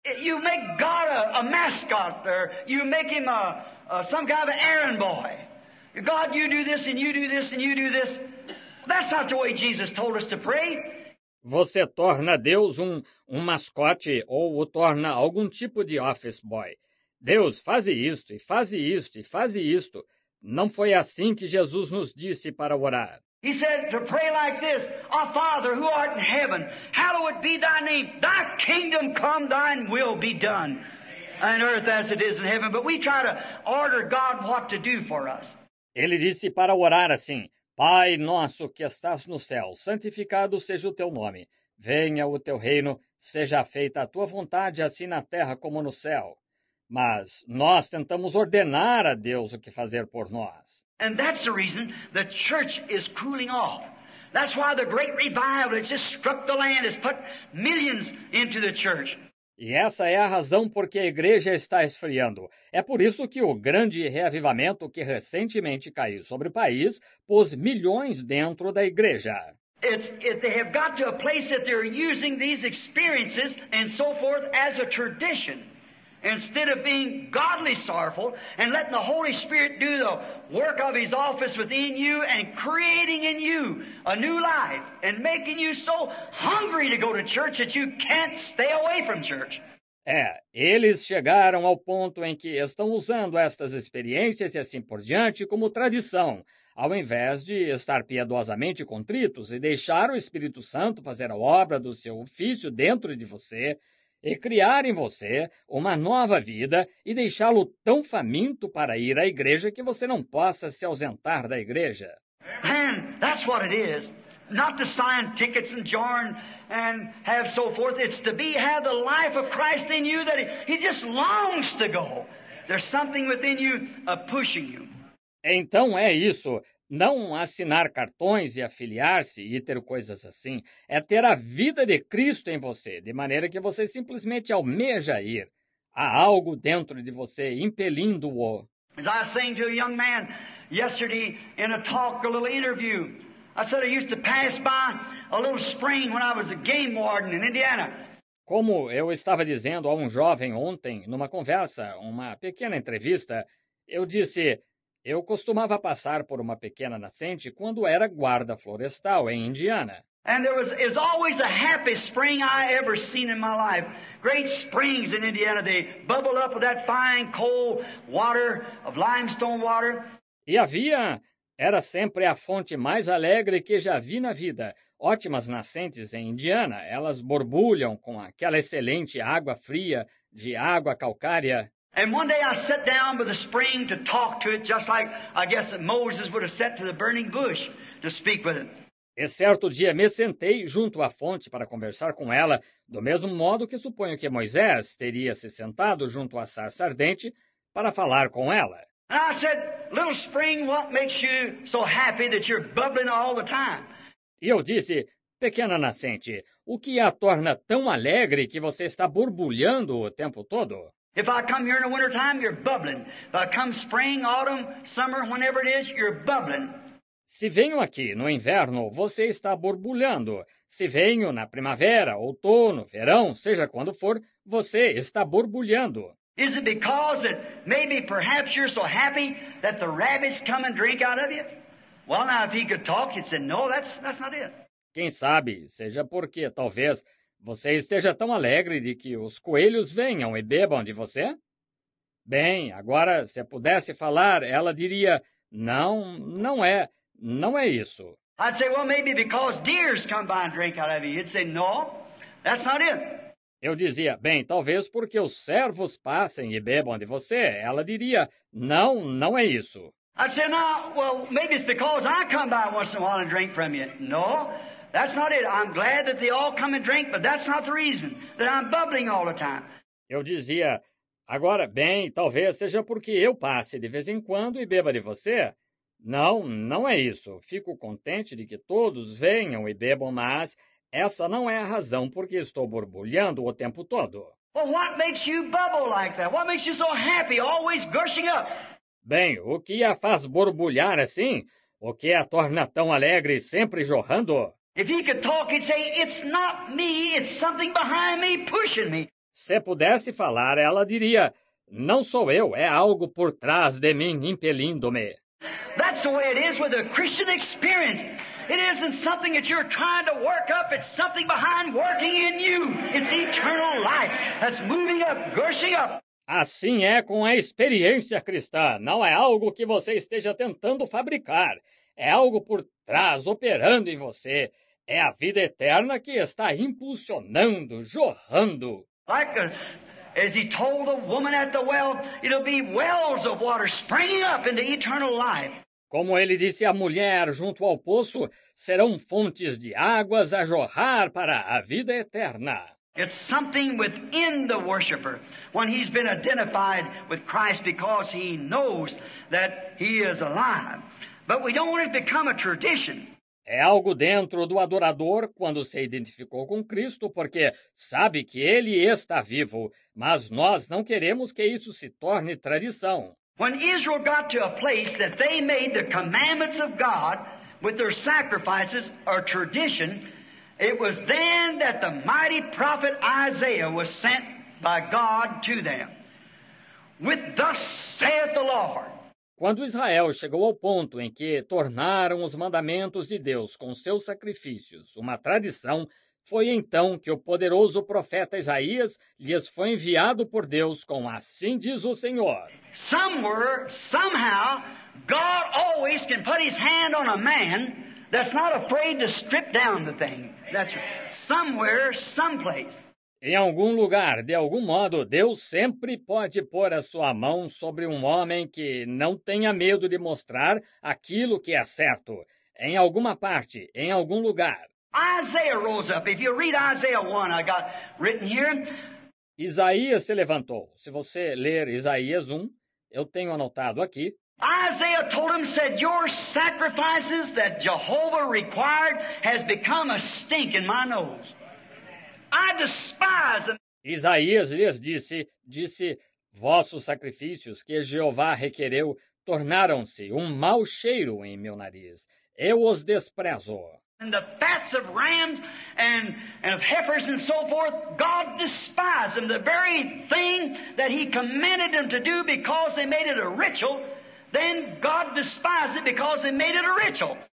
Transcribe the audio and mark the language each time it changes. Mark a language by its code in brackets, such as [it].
[en] You make God a mascot, or you make him some kind of an errand boy. God, you do this and you do this and you do this. That's not the way Jesus told us to pray. [pt] Você torna Deus um mascote ou o torna algum tipo de office boy. Deus, faze isto e faze isto e faze isto. Não foi assim que Jesus nos disse para orar. [en] He said to pray like this, Our Father who art in heaven, hallowed be thy name. Thy kingdom come, thine will be done on earth as it is in heaven. But we try to order God what to do for us. [pt] Ele disse para orar assim, Pai nosso que estás no céu, santificado seja o teu nome. Venha o teu reino, seja feita a tua vontade, assim na terra como no céu. Mas nós tentamos ordenar a Deus o que fazer por nós. [en] And that's the reason the church is cooling off. That's why the great revival that just struck the land has put millions into the church. [pt] E essa é a razão porque a igreja está esfriando. É por isso que o grande reavivamento que recentemente caiu sobre o país pôs milhões dentro da igreja. [en] They have got to a place that they're using these experiences and so forth as a tradition instead of being godly sorrowful and letting the Holy Spirit do the work of his office within you and creating in you a new life and making you so hungry to go to church that you can't stay away from church. [pt] É, eles chegaram ao ponto em que estão usando estas experiências e assim por diante como tradição, ao invés de estar piedosamente contritos e deixar o Espírito Santo fazer a obra do seu ofício dentro de você e criar em você uma nova vida e deixá-lo tão faminto para ir à igreja que você não possa se ausentar da igreja. [en] And that's what it is. Not to sign tickets and join and have so forth. It's to be have the life of Christ in you that he just longs to go. There's something within you pushing you. [pt] Então é isso. Não assinar cartões e afiliar-se e ter coisas assim é ter a vida de Cristo em você, de maneira que você simplesmente almeja ir. Há algo dentro de você impelindo-o. [en] As I was saying to a young man yesterday in a talk, a little interview, I said I used to pass by a little spring when I was a game warden in Indiana. [pt] Como eu estava dizendo a um jovem ontem, numa conversa, uma pequena entrevista, eu disse... Eu costumava passar por uma pequena nascente quando era guarda florestal em Indiana. [en] And there was always the happiest spring I ever seen in my life. Great springs in Indiana, they bubble up with that fine cold water of limestone water. [pt] E havia, era sempre a fonte mais alegre que já vi na vida. Ótimas nascentes em Indiana, elas borbulham com aquela excelente água fria de água calcária. [en] And one day I sat down by the spring to talk to it, just like I guess Moses would have sat to the burning bush to speak with it. [pt] E certo dia me sentei junto à fonte para conversar com ela, do mesmo modo que suponho que Moisés teria se sentado junto à sarça ardente para falar com ela. [en] And I said, little spring, what makes you so happy that you're bubbling all the time? [pt] E eu disse, pequena nascente, o que a torna tão alegre que você está borbulhando o tempo todo? [en] If I come here in the winter time, you're bubbling. If I come spring, autumn, summer, whenever it is, you're bubbling. [pt] Se venho aqui no inverno, você está borbulhando. Se venho na primavera, outono, verão, seja quando for, você está borbulhando. [en] Is it because that maybe perhaps you're so happy that the rabbits come and drink out of you? Well, now, if he could talk, he'd say, no, that's not it. [pt] Quem sabe, seja porque, talvez... Você esteja tão alegre de que os coelhos venham e bebam de você? Bem, agora, se pudesse falar, ela diria: não, não é, não é isso. [en] I'd say, well, maybe because deers come by and drink out of you. You'd say, no, that's not it. [pt] Eu dizia: bem, talvez porque os servos passem e bebam de você. Ela diria: não, não é isso. [en] I'd say, no, well, maybe it's because I come by once in a while and drink from you. No, that's not it. I'm glad that they all come and drink, but that's not the reason that I'm bubbling all the time. [pt] Eu dizia: agora, bem, talvez seja porque eu passe de vez em quando e beba de você. Não, não é isso. Fico contente de que todos venham e bebam, mas essa não é a razão porque estou borbulhando o tempo todo. [en] Well, what makes you bubble like that? What makes you so happy, always gushing up? [pt] Bem, o que a faz borbulhar assim? O que a torna tão alegre, sempre jorrando? [en] If he could talk, he'd say, it's not me, it's something behind me, pushing me. [pt] Se pudesse falar, ela diria: não sou eu, é algo por trás de mim, impelindo-me. [en] That's the way it is with a Christian experience. It isn't something that you're trying to work up, it's something behind working in you. It's eternal life that's moving up, gushing up. [pt] Assim é com a experiência cristã. Não é algo que você esteja tentando fabricar. É algo por trás, operando em você. É a vida eterna que está impulsionando, jorrando. [en] Like as he told the woman at the well, it'll be wells of water springing up into eternal life. [pt] Como ele disse à mulher junto ao poço, serão fontes de águas a jorrar para a vida eterna. [en] It's something within the worshiper when he's been identified with Christ because he knows that he is alive. But we don't want it to become a tradition. [pt] É algo dentro do adorador quando se identificou com Cristo, porque sabe que ele está vivo, mas nós não queremos que isso se torne tradição. [en] When Israel got to a place that they made the commandments of God with their sacrifices a tradition, it was then that the mighty prophet Isaiah was sent by God to them. With thus saith the Lord. [pt] Quando Israel chegou ao ponto em que tornaram os mandamentos de Deus com seus sacrifícios uma tradição, foi então que o poderoso profeta Isaías lhes foi enviado por Deus com assim diz o Senhor. [en] Somewhere, somehow, God always can put his hand on a man that's not afraid to strip down the thing. That's somewhere, someplace. [pt] Em algum lugar, de algum modo, Deus sempre pode pôr a sua mão sobre um homem que não tenha medo de mostrar aquilo que é certo. Em alguma parte, em algum lugar. [en] Isaiah rose up. If you read Isaiah 1, I got written here. [pt] Isaías se levantou. Se você ler Isaías 1, eu tenho anotado aqui. [en] Isaiah told him, said, your sacrifices that Jehovah required has become a stink in my nose. I despise them. [pt] Isaías lhes disse, vossos sacrifícios que Jeová requereu tornaram-se um mau cheiro em meu nariz. Eu os desprezo. [en] And the fats of rams and of heifers and so forth, God despised them. The very thing that he commanded them to do because they made it a ritual, then God despised it because they made it a ritual.